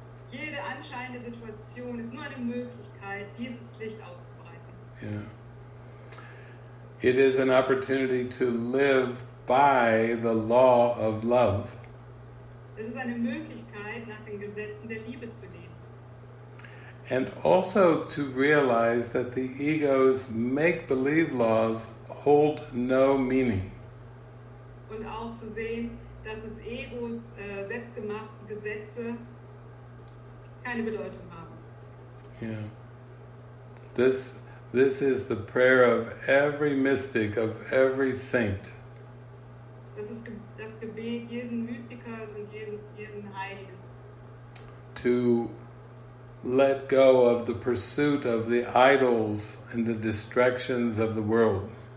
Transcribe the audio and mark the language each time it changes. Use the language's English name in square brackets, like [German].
[German] Jede anscheinende Situation ist nur eine Möglichkeit, dieses Licht auszubreiten. [English] Yeah. It is an opportunity to live by the law of love. [German] Es ist eine Möglichkeit, nach den Gesetzen der Liebe zu leben. [English] And also to realize that the ego's make-believe laws hold no meaning. [German] Und auch zu sehen, dass das Egos selbstgemachten Gesetze keine Bedeutung haben. [English] Yeah. This is the prayer of every mystic, of every saint. [German] Das ist das Gebet jeden Mystikers und jeden Heiligen. [English] To let go of the pursuit of the idols and the distractions of the world.